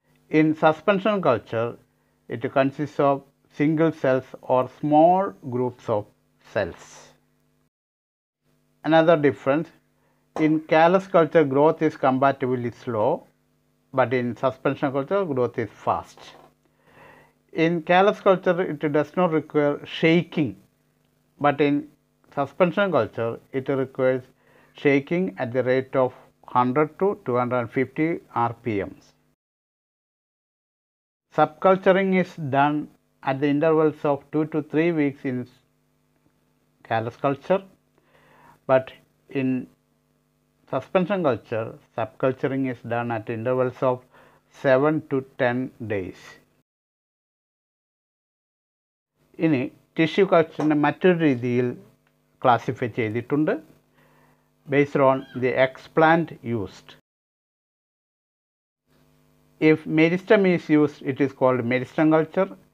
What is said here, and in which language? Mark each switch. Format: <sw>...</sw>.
<en>In suspension culture it consist of single cells or small groups of cells. Another difference, in callus culture growth is comparatively slow, but in suspension culture growth is fast. In callus culture, it does not require shaking, but in suspension culture, it requires shaking at the rate of 100 to 250 RPMs. Subculturing is done at the intervals of 2 to 3 weeks in callus culture, but in suspension culture, subculturing is done at intervals of 7 to 10 days.</en> <ml>ഇനി tissue കൾച്ചറിനെ മറ്റൊരു രീതിയിൽ classify ചെയ്തിട്ടുണ്ട്,</ml> <en>Based on the explant used. If meristem is used it is called meristem culture.</en>